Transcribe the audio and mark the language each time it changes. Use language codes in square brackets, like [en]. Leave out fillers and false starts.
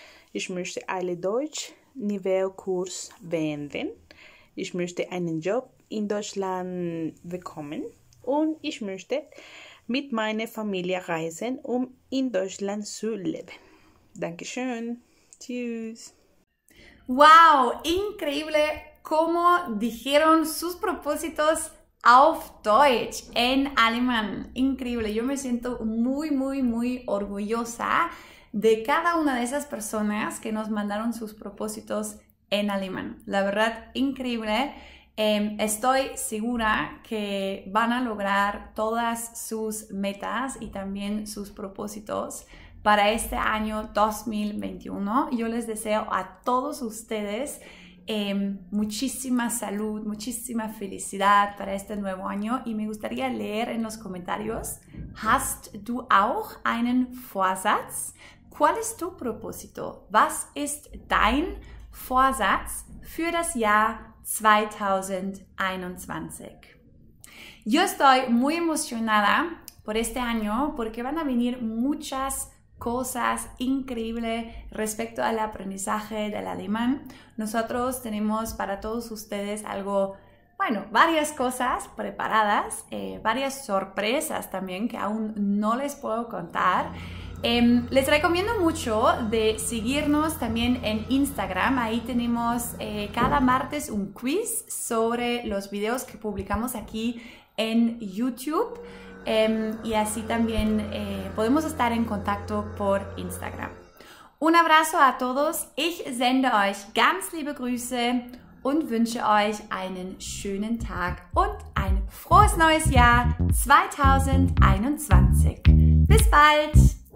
[de] Ich möchte einen Deutsch-Nivellkurs beenden. Ich möchte einen Job in Deutschland bekommen. Und ich möchte mit meiner Familie reisen, um in Deutschland zu leben. Dankeschön. Tschüss. [es] Wow, increíble cómo dijeron sus propósitos [de] auf Deutsch, [es] en alemán. Increíble. Yo me siento muy, muy, muy orgullosa de cada una de esas personas que nos mandaron sus propósitos en alemán. La verdad, increíble. Estoy segura que van a lograr todas sus metas y también sus propósitos para este año 2021. Yo les deseo a todos ustedes muchísima salud, muchísima felicidad para este nuevo año. Y me gustaría leer en los comentarios, [de] ¿Hast du auch einen Vorsatz? [es] ¿Cuál es tu propósito? [de] ¿Was ist dein Vorsatz für das Jahr 2021? [es] Yo estoy muy emocionada por este año porque van a venir muchas cosas increíbles respecto al aprendizaje del alemán. Nosotros tenemos para todos ustedes algo, bueno, varias cosas preparadas, varias sorpresas también que aún no les puedo contar. Les recomiendo mucho de seguirnos también en Instagram. Ahí tenemos cada martes un quiz sobre los videos que publicamos aquí en YouTube. Y así también podemos estar en contacto por Instagram. Un abrazo a todos. [de] Ich sende euch ganz liebe Grüße und wünsche euch einen schönen Tag und ein frohes neues Jahr 2021. Bis bald!